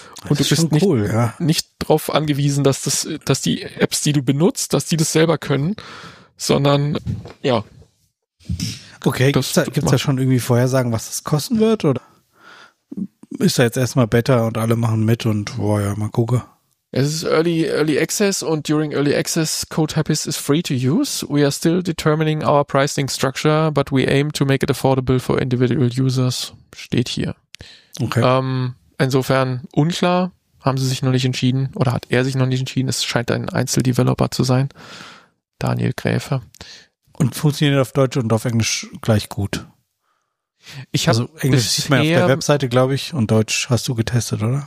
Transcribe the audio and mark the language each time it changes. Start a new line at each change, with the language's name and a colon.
German: Und du bist nicht, cool, ja, nicht drauf angewiesen, dass die Apps, die du benutzt, dass die das selber können, sondern, ja. Okay, gibt's da schon irgendwie Vorhersagen, was das kosten wird, oder ist da jetzt erstmal Beta und alle machen mit und, boah, ja, mal gucken. Es ist
English: early Access
German: und
English: during Early Access, CodeHappiest is free to use. We are still determining our pricing structure, but we aim to make it affordable for individual users.
German: Steht hier. Okay. Insofern unklar, haben sie sich noch nicht entschieden oder hat er sich noch nicht entschieden. Es scheint ein Einzeldeveloper zu sein. Daniel Gräfer. Und funktioniert auf Deutsch und auf Englisch gleich gut? Also Englisch sieht man auf der Webseite, glaube ich, und Deutsch hast du getestet, oder?